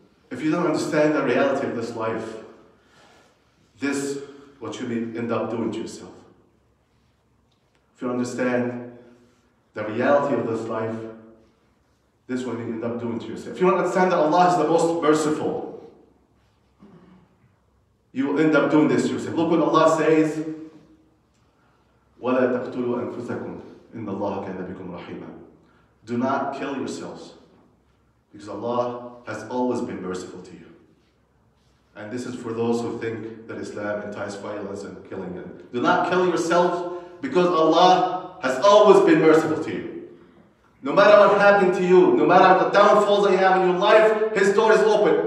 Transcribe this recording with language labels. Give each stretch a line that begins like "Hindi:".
English: If you don't understand the reality of this life, this is what you may end up doing to yourself. If you understand the reality of this life, this is what you end up doing to yourself. If you don't understand that Allah is the most merciful, you will end up doing this to yourself. Look what Allah says,
Arabic: وَلَا تَقْتُلُوا أَنفُسَكُمْ إِنَّ اللَّهَ كَانَ بِكُمْ رَحِيمًا.
English: Do not kill yourselves, because Allah has always been merciful to you. And this is for those who think that Islam entices violence and killing. And do not kill yourself, because Allah has always been merciful to you. No matter what happened to you, no matter the downfalls that you have in your life, His door is open.